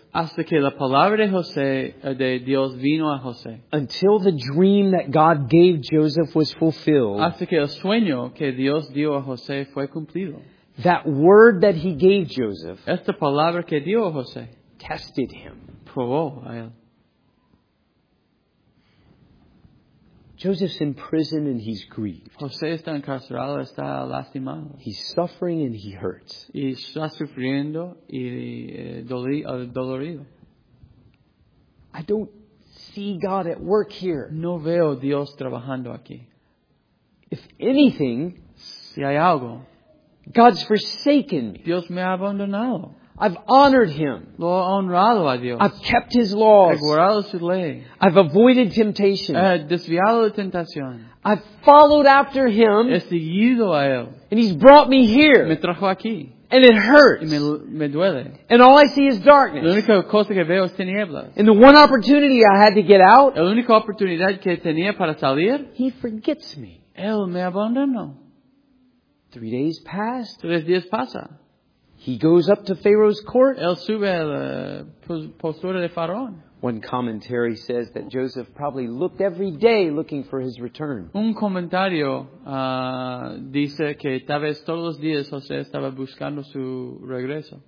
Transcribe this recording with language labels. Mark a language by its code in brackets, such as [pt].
[es] Hasta que la palabra de José, de Dios vino a José. [en] Until the dream that God gave Joseph was fulfilled. [es] Hasta que el sueño que Dios dio a José fue cumplido. [en] That word that he gave Joseph. [es] Esta palabra que dio a José. [en] Tested him. [es] Probó a él. [en] Joseph's in prison and he's grieved. [es] José está encarcelado, está lastimado. [en] He's suffering and he hurts. [es] Y está sufriendo y dolorido. [en] I don't see God at work here. [es] No veo Dios trabajando aquí. [en] If anything, [es] si hay algo, [en] God's forsaken me. [es] Dios me ha abandonado. [en] I've honored him. [es] Lo he honrado a Dios. [en] I've kept his laws. [es] He guardado su ley. [en] I've avoided temptation. [es] He desviado la tentación. [en] I've followed after him. [es] He seguido a él. [en] And he's brought me here. [es] Me trajo aquí. [en] And it hurts. [es] Y me duele. [en] And all I see is darkness. [es] La única cosa que veo es tinieblas. [en] And the one opportunity I had to get out. [es] La única oportunidad que tenía para salir. [en] He forgets me. [es] Él me abandonó. [en] 3 days pass. [es] 3 días pasa. [en] He goes up to Pharaoh's court. [es] Él sube a la postura de Faraón. [en] One commentary says that Joseph probably looked every day looking for his return. [es] Un comentario dice que tal vez todos los días José estaba buscando su regreso.